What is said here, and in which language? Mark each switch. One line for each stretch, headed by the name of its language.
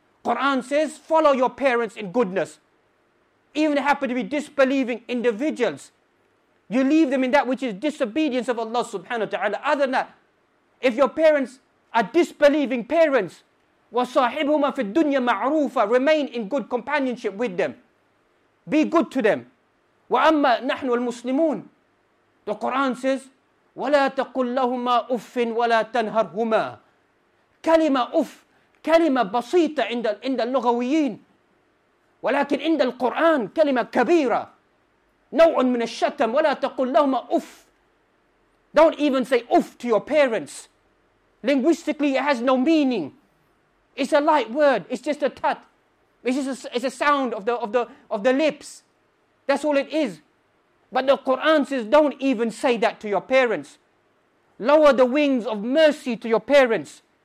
English: Quran says, follow your parents in goodness. Even happen to be disbelieving individuals, you leave them in that which is disobedience of Allah subhanahu wa ta'ala. Other than that, if your parents are disbelieving parents,
Arabic: وَصَاحِبْهُمَا فِي الدُّنْيَا مَعْرُوفًا.
English: Remain in good companionship with them. Be good to them.
Arabic: وَأَمَّا نَحْنُ الْمُسْلِمُونَ.
English: The Quran says,
Arabic: وَلَا تَقُلْ لَهُمَا أُفٍ وَلَا تَنْهَرْهُمَا. كلمة أف كلمة بسيطة عند اللغويين ولكن عند القرآن كلمة كبيرة نوع من الشتم ولا تقول لهما أف.
English: Don't even say أف to your parents. Linguistically it has no meaning. It's a light word. It's just a tat. It's a sound of the lips. That's all it is. But the Quran says don't even say that to your parents. Lower the wings of mercy to your parents.